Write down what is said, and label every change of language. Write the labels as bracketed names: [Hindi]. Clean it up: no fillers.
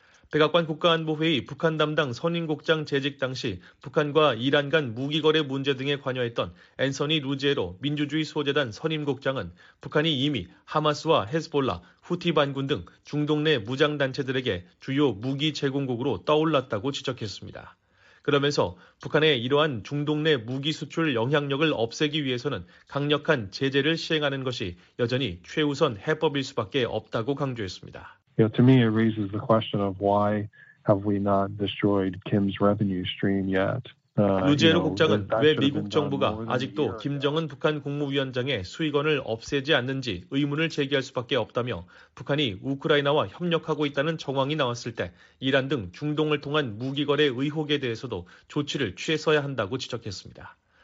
[Korean] 백악관 국가안보회의 북한 담당 선임국장 재직 당시 북한과 이란 간 무기거래 문제 등에 관여했던 앤서니 루지에로 민주주의 소재단 선임국장은 북한이 이미 하마스와 헤즈볼라, 후티 반군 등 중동 내 무장단체들에게 주요 무기 제공국으로 떠올랐다고 지적했습니다. 그러면서 북한의 이러한 중동 내 무기 수출 영향력을 없애기 위해서는 강력한 제재를 시행하는 것이 여전히 최우선 해법일 수밖에 없다고 강조했습니다. [English] You know, to me, it raises the question of why have we not destroyed Kim's revenue stream yet? [Korean] 루제로 국장은 왜 미국 정부가 아직도 김정은 북한 국무위원장의 수익원을 없애지 않는지 의문을 제기할 수밖에 없다며 북한이 우크라이나와 협력하고 있다는 정황이 나왔을 때 이란 등 중동을 통한 무기거래 의혹에 대해서도 조치를 취했어야 한다고 지적했습니다.